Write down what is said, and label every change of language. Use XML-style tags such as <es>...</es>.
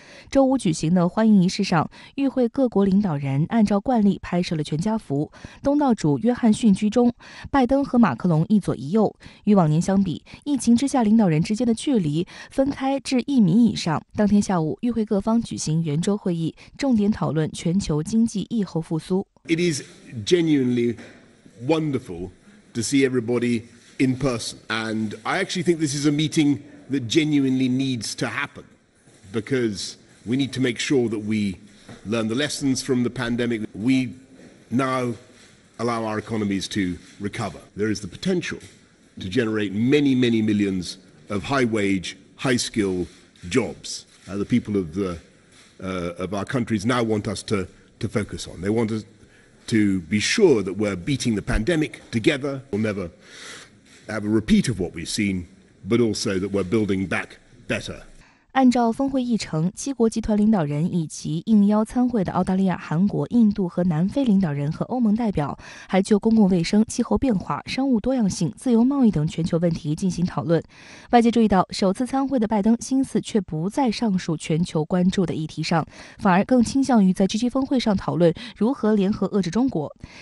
<zh>周五举行的欢迎仪式上，与会各国领导人按照惯例拍摄了全家福，东道主约翰逊居中，拜登和马克龙一左一右。与往年相比，疫情之下领导人之间的距离分开至一米以上。当天下午，与会各方举行圆桌会议，重点讨论全球经济疫后复苏。</zh> <en>It is genuinely wonderful to see everybody in person, and I actually think this is a meetingthat genuinely needs to happen, because we need to make sure that we learn the lessons from the pandemic. We now allow our economies to recover. There is the potential to generate many, many millions of high-wage, high-skill jobs. The people of, of our countries now want us to focus on. They want us to be sure that we're beating the pandemic together. We'll never have a repeat of what we've seen. But also that we're building back better.</en> <zh>按照峰会议程，七国集团领导人以及应邀参会的澳大利亚、韩国、印度和南非领导人和欧盟代表还就公共卫生、气候变化、生物多样性、自由贸易等全球问题进行讨论。外界注意到，首次参会的拜登心思却不在上述全球关注的议题上，反而更倾向于在 G7 峰会上讨论如何联合遏制中国。</zh>